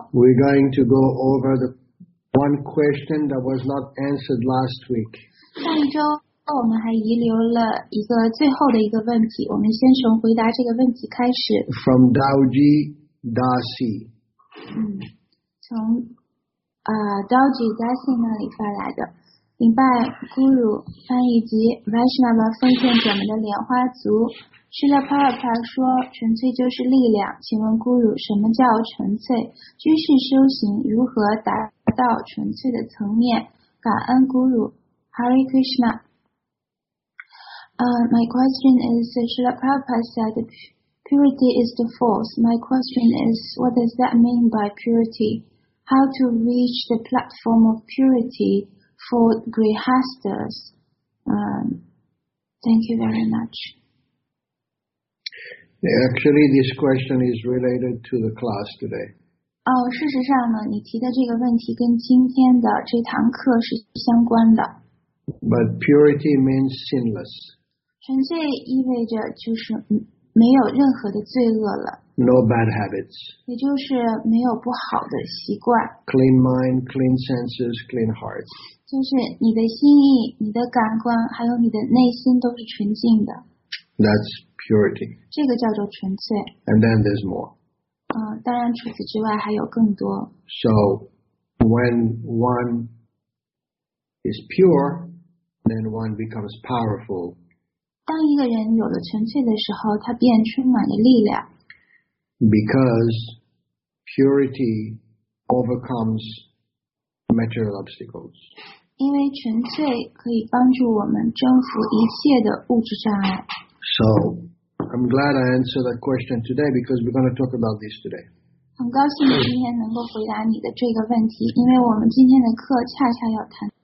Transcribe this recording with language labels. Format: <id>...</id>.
<en>We're going to go over the one question that was not answered last week.</en> <zh>上一周我们还遗留了一个最后的一个问题，我们先从回答这个问题开始。</zh> <en>From Dauji Dasi。</en> <zh>从Dauji Dasi 那里发来的，明白 Guru 翻译及 Vaishnava 奉献者们的莲花族 Srila Prabhupada 说，纯粹就是力量。请问 Guru， 什么叫纯粹？居士修行如何达到纯粹的层面？感恩 Guru， Hare Krishna。</zh> <en>My question is, Srila Prabhupada said purity is the force. My question is, what does that mean by purity? How to reach the platform of purity for grihasthas? Thank you very much. Actually, this question is related to the class today.</en> <zh>事实上呢，你提的这个问题跟今天的这堂课是相关的。</zh> <en>But purity means sinless.</en> <zh>纯粹意味着就是没有任何的罪恶了。</zh> <en>No bad habits.</en> <zh>也就是没有不好的习惯。</zh> <en>Clean mind, clean senses, clean heart.</en> <zh>就是你的心意、你的感官还有你的内心都是纯净的。</zh> <en>That's purity.</en> <zh>这个叫做纯粹。</zh> <en>And then there's more.</en> <zh>当然除此之外还有更多。</zh> <en>So when one is pure, then one becomes powerful.</en> <zh>当一个人有了纯粹的时候，他便充满了力量。</zh> <en>Because purity overcomes material obstacles.</en> <zh>因为纯粹可以帮助我们征服一切的物质障碍。</zh> <en>So, I'm glad I answered that question today because we're going to talk about this today.</en> <zh>很高兴今天能够回答你的这个问题，因为我们今天的课恰恰要谈。</zh>